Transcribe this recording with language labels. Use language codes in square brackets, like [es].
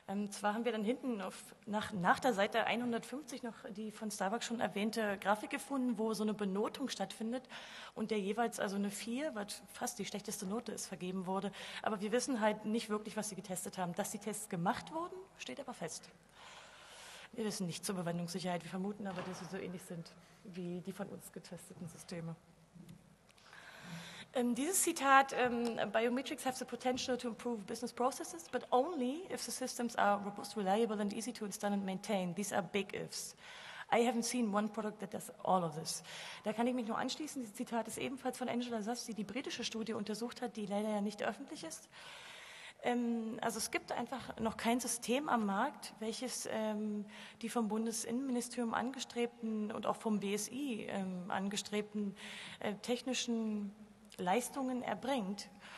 [de] Zwar haben wir dann hinten nach der Seite 150 noch die von Starbucks schon erwähnte Grafik gefunden, wo so eine Benotung stattfindet und der jeweils also eine 4, was fast die schlechteste Note ist, vergeben wurde. Aber wir wissen halt nicht wirklich, was sie getestet haben. Dass die Tests gemacht wurden, steht aber fest. Wir wissen nicht zur Überwindungssicherheit. Wir vermuten aber, dass sie so ähnlich sind wie die von uns getesteten Systeme. Dieses Zitat, [en] Biometrics have the potential to improve business processes, but only if the systems are robust, reliable and easy to install and maintain. These are big ifs. I haven't seen one product that does all of this. [de] Da kann ich mich nur anschließen. Dieses Zitat ist ebenfalls von Angela Sass, die die britische Studie untersucht hat, die leider ja nicht öffentlich ist. Also es gibt einfach noch kein System am Markt, welches die vom Bundesinnenministerium angestrebten und auch vom BSI angestrebten technischen Leistungen erbringt.